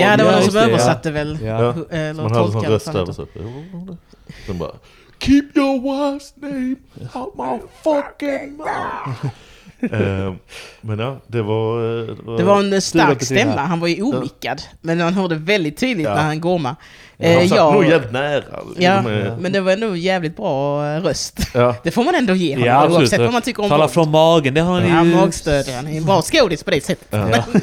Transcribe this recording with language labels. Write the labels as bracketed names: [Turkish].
[Swedish] ja, det var som översatte väl. Man hade sån röst där och så. Sen bara [English] keep your wife's name out my fucking mouth. [Swedish] Men ja, det var en stark stämma. Han var ju omickad, men han hörde väldigt tydligt när han går med. Han var jävligt nära. Ja, men det var ändå jävligt bra röst. Ja. Det får man ändå ge honom, oavsett vad man tycker om. Tala från magen, det har han ju. Magstöd, han är en bra skådis på det sättet.